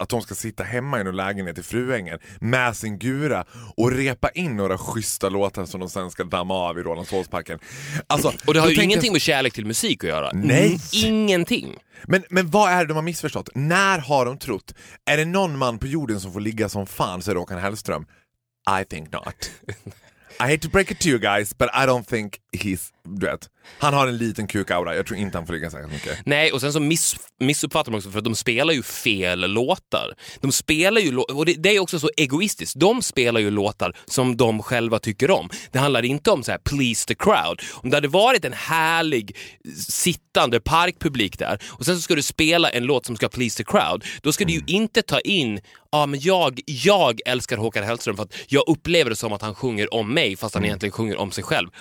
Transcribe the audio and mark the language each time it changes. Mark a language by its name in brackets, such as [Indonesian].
[Swedish] Att de ska sitta hemma i någon lägenhet i Fruängen med sin gura och repa in några schyssta låtar som de sen ska damma av i Rolandshålsparken. Alltså, och det har ju ingenting med kärlek till musik att göra. Nej. Ingenting. Men vad är det de har missförstått? När har de trott? Är det någon man på jorden som får ligga som fan, så är det Håkan Hellström? [English] I think not. I hate to break it to you guys, but I don't think he's, [Swedish] du vet, han har en liten kukaura. Jag tror inte han får ligga särskilt mycket. Nej, och sen så missuppfattar man också, för att de spelar ju fel låtar. De spelar ju, och det är också så egoistiskt. De spelar ju låtar som de själva tycker om. Det handlar inte om så här [English] please the crowd. [Swedish] Om det hade varit en härlig sittande parkpublik där, och sen så ska du spela en låt som ska please the crowd, då ska du ju inte ta in, ja, men jag älskar Håkan Hellström för att jag upplever det som att han sjunger om mig, fast han egentligen sjunger om sig själv.